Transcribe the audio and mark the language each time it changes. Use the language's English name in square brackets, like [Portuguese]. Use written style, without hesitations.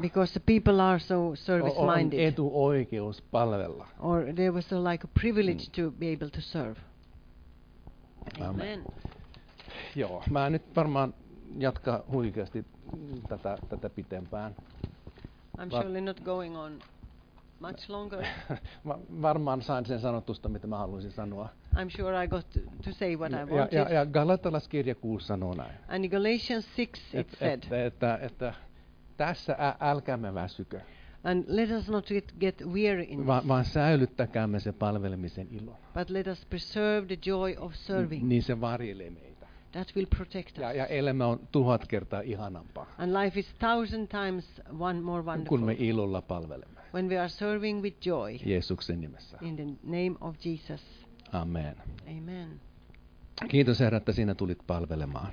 [English] Because the people are so service-minded. [Finnish] On etuoikeus palvella. [English] Or there was like a privilege to be able to serve. Amen. Amen. [Finnish] Joo, mä nyt varmaan jatka huikeasti tätä pitempään. [English] I'm surely not going on much longer. [Finnish] Varmaan sain sen sanotusta, mitä mä haluaisin sanoa. [English] I'm sure I got to say what I wanted. [Finnish] Ja Galatalaiskirja 6 sanoo näin. [English] And Galatians 6 it said. [Finnish] Että tässä älkäämme väsykö. [English] And let us not get weary in this. [Finnish] Vaan säilyttäkäämme sen palvelemisen ilo. [English] But let us preserve the joy of serving. [Finnish] Niin se varjelee meitä. [English] That will protect us. [Finnish] Ja elämä on 1000 kertaa ihanampaa. [English] And life is 1000 times one more wonderful. [Finnish] Kun me ilolla palvelemme. [English] When we are serving with joy. [Finnish] Jeesuksen nimessä. [English] In the name of Jesus. Amen. Amen. [Finnish] Kiitos Herra, että sinä tulit palvelemaan.